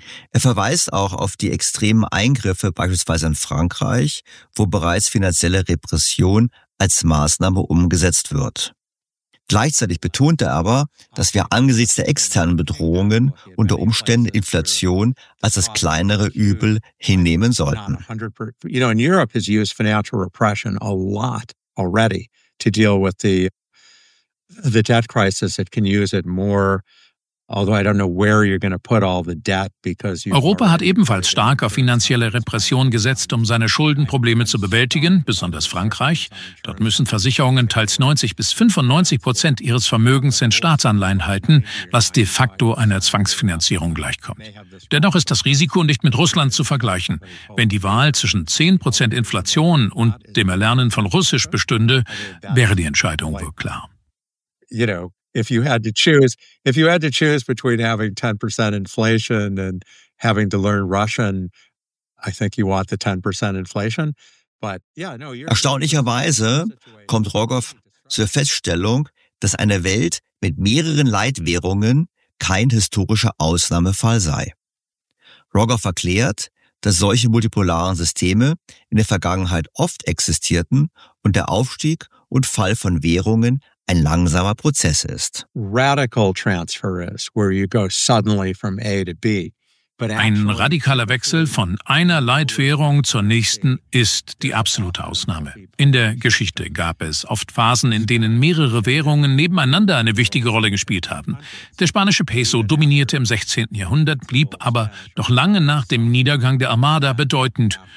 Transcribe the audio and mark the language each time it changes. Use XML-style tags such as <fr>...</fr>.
<de>Er verweist auch auf die extremen Eingriffe beispielsweise in Frankreich, wo bereits finanzielle Repression als Maßnahme umgesetzt wird. Gleichzeitig betont er aber, dass wir angesichts der externen Bedrohungen unter Umständen Inflation als das kleinere Übel hinnehmen sollten.</de> <en>You know, in Europe has used financial repression a lot already to deal with the debt crisis. It can use it more.</en> <de>Europa hat ebenfalls stark auf finanzielle Repression gesetzt, um seine Schuldenprobleme zu bewältigen, besonders Frankreich. Dort müssen Versicherungen teils 90-95% ihres Vermögens in Staatsanleihen halten, was de facto einer Zwangsfinanzierung gleichkommt. Dennoch ist das Risiko nicht mit Russland zu vergleichen. Wenn die Wahl zwischen 10% Inflation und dem Erlernen von Russisch bestünde, wäre die Entscheidung wohl klar.</de> <en>If you had to choose between having 10% inflation and having to learn Russian, I think you want the 10% inflation. But yeah, no, you're</en> <de>Erstaunlicherweise kommt Rogoff zur Feststellung, dass eine Welt mit mehreren Leitwährungen kein historischer Ausnahmefall sei. Rogoff erklärt, dass solche multipolaren Systeme in der Vergangenheit oft existierten und der Aufstieg und Fall von Währungen ein langsamer Prozess ist.</de> <en>Radical transfer is where you go suddenly from A to B.</en> <de>Ein radikaler Wechsel von einer Leitwährung zur nächsten ist die absolute Ausnahme. In der Geschichte gab es oft Phasen, in denen mehrere Währungen nebeneinander eine wichtige Rolle gespielt haben. Der spanische Peso dominierte im 16. Jahrhundert, blieb aber noch lange nach dem Niedergang der Armada bedeutend.</de>